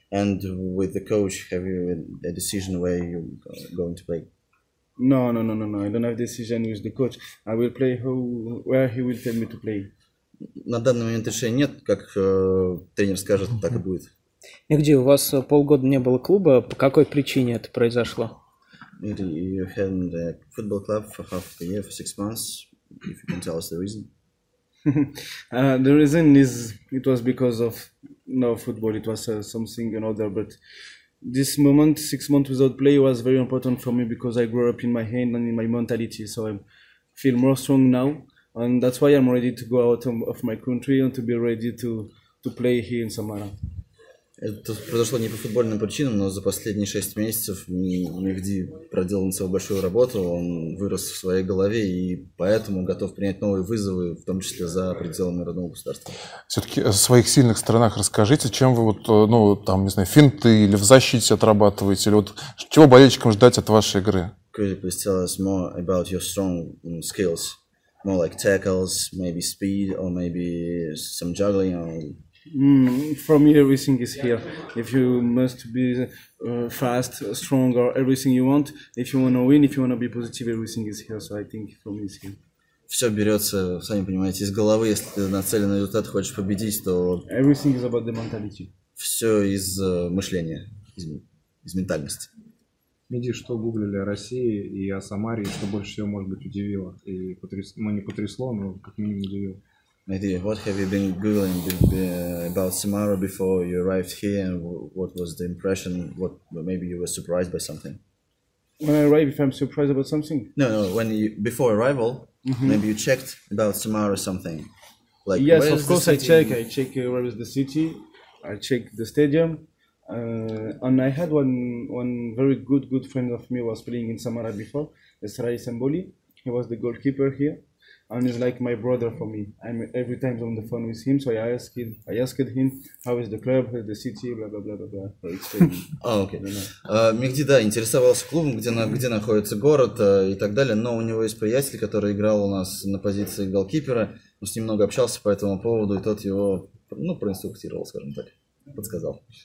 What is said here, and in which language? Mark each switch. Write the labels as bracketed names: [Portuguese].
[English] And with the coach, have you a decision where you're going to play? No. I don't have decision with the coach. I will play where he will tell me to play. [Russian] На данный момент решения нет, как тренер скажет, так и будет. Где у вас полгода не было клуба? По какой причине это произошло? [English] You haven't a football club for half a year, for 6 months, if you can tell us the reason. The reason is it was because of no football. It was something another. But this moment, 6 months without play, was very important for me because I grew up in my head and in my mentality. So I feel more strong now, and that's why I'm ready to go out of my country and to be ready to play here in Samara. [Russian] Это произошло не по футбольным причинам, но за последние 6 месяцев Мехди проделал над собой большую работу, он вырос в своей голове и поэтому готов принять новые вызовы, в том числе за пределами родного государства. Все-таки о своих сильных сторонах расскажите, чем вы вот, ну, там, не знаю, финты или в защите отрабатываете, или вот чего болельщикам ждать от вашей игры? [English] Could you please tell us more about your strong skills? More like tackles, maybe speed, or maybe some juggling, or... From here, everything is here. If you must be fast, strong, or everything you want, if you want to win, if you want to be positive, everything is here. So I think for me, it's here. [Russian] Все берется, сами понимаете, из головы. Если ты нацелен на результат, хочешь победить, то [English] Everything is about the mentality. [Russian] все из мышления, из ментальности. Иди, что гуглили о России и о Самаре, что больше всего, может быть, удивило. И ну, не потрясло, но как минимум удивило. [English] What have you been googling about Samara before you arrived here, and what was the impression? What maybe you were surprised by something? When I arrive, if I'm surprised about something? No. When you before arrival, maybe you checked about Samara something, like Yes, where of is the course city? I check where is the city, I check the stadium, and I had one very good friend of me was playing in Samara before, Esrai Semboli. He was the goalkeeper here. And he's like my brother for me. I'm every time on the phone with him, so I asked him how is the club, how is the city, blah blah blah blah blah. So it's [Russian] Окей. Мехди, да, интересовался клубом, где находится город и так далее, но у него есть приятель, который играл у нас на позиции голкипера. Он с ним много общался по этому поводу, и тот его, ну, проинструктировал, скажем так, подсказал.